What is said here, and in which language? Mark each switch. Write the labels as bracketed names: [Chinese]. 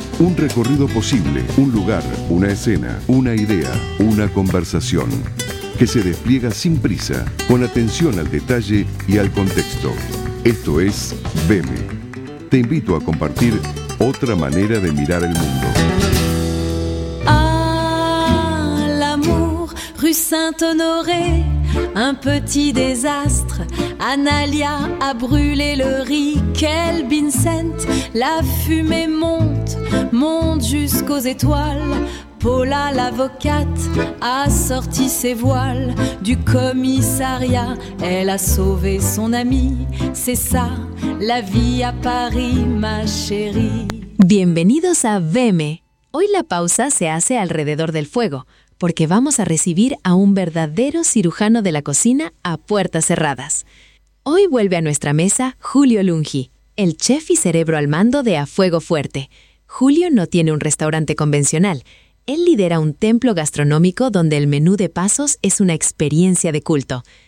[Spanish] Un recorrido posible, un lugar, una escena, una idea, una conversación. Que se despliega sin prisa, con atención al detalle y al contexto. Esto es Veme. Te invito a compartir otra manera de mirar el mundo. [French] À l'amour, rue Saint-Honoré, un petit désastre. Analia a brûlé le riz, quel Vincent. La fumée monte, monte jusqu'aux étoiles. Paula, l'avocate, a sorti ses voiles du commissariat. Elle a sauvé son amie. C'est ça, la vie à Paris, ma chérie. [Spanish] Bienvenidos a Veme. Hoy la pausa se hace alrededor del fuego, porque vamos a recibir a un verdadero cirujano de la cocina a puertas cerradas. Hoy vuelve a nuestra mesa Julio Lungi, el chef y cerebro al mando de A Fuego Fuerte. Julio no tiene un restaurante convencional. Él lidera un templo gastronómico donde el menú de pasos es una experiencia de culto.